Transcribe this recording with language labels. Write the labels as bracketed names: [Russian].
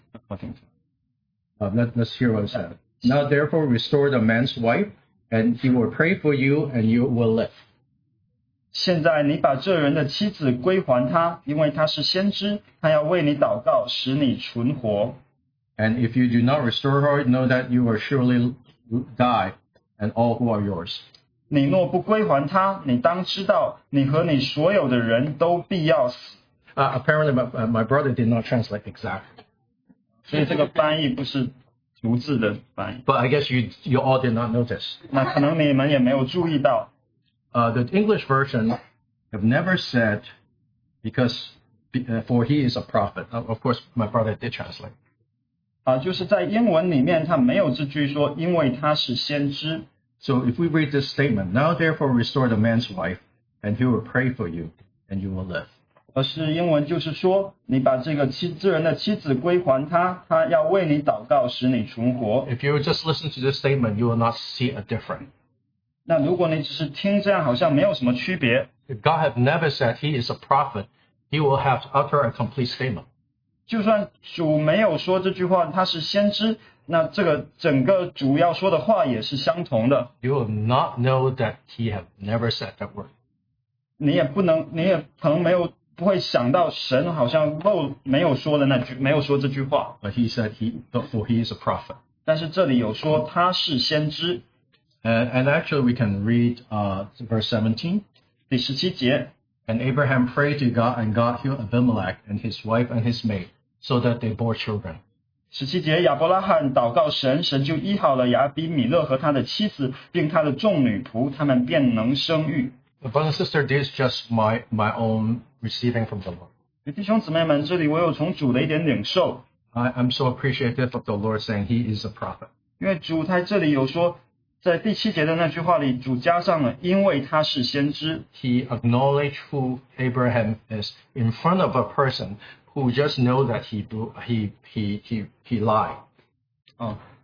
[English] Let's hear what I said. Now therefore restore the man's wife, and he will pray for you, and you will live. [Chinese] 现在你把这人的妻子归还他，因为他是先知，他要为你祷告，使你存活。 [English] And if you do not restore her, know that you will surely die, and all who are yours. [Chinese] 你若不归还他，你当知道，你和你所有的人都必要死。 [English] Apparently, my brother did not translate exactly. [Chinese] 所以这个翻译不是逐字的翻译。 [English] But I guess you all did not notice. [Chinese] 那可能你们也没有注意到。 [English] The English version have never said because for he is a prophet. Of course, my brother did translate. [Chinese] 就是在英文里面，他没有这句说，因为他是先知。 [English] So if we read this statement, now therefore restore the man's wife, and he will pray for you, and you will live. [Chinese] 而是英文就是说，你把这个这人的妻子归还他，他要为你祷告，使你存活。 [English] If you just listen to this statement, you will not see a difference. [Chinese] 那如果你只是听这样，好像没有什么区别。 [English] If God had never said he is a prophet, he will have uttered a complete statement. [Chinese] 就算主没有说这句话，他是先知。那这个整个主要说的话也是相同的。 [English] You will not know that he has never said that word. [Chinese] 你也可能没有不会想到神好像漏没有说的那句没有说这句话。 [English] But he said he, for he is a prophet. [Chinese] 但是这里有说他是先知。 [English] And actually, we can read verse 17. [Chinese] 第十七节, [English] and Abraham prayed to God, and God healed Abimelech and his wife and his maid, so that they bore children. [Chinese] 十七节, 亚伯拉罕祷告神, 神就医好了亚比米勒和他的妻子, 并他的众女仆, [English] Brother and sister, this is just my own receiving from the Lord. [Chinese] 弟兄姊妹们, [English] I'm so appreciative of the Lord saying he is a prophet. [Chinese] 因为主在这里有说, 在第七节的那句话里, 主加上了, [English] he acknowledged who Abraham is in front of a person who just know that he lied.